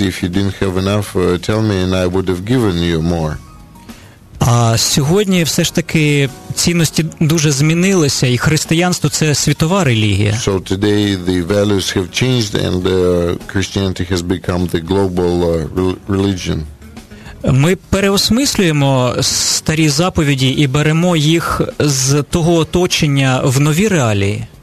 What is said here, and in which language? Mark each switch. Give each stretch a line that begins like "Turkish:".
English: If you didn't have enough, tell me and I would have given you more.
Ukrainian: А сьогодні все ж таки цінності дуже змінилися, і християнство — це світова релігія.
English: So today the values have changed and Christianity has become the global religion.
Ukrainian: Ми переосмислюємо старі заповіді і беремо їх з того оточення в нові реалії.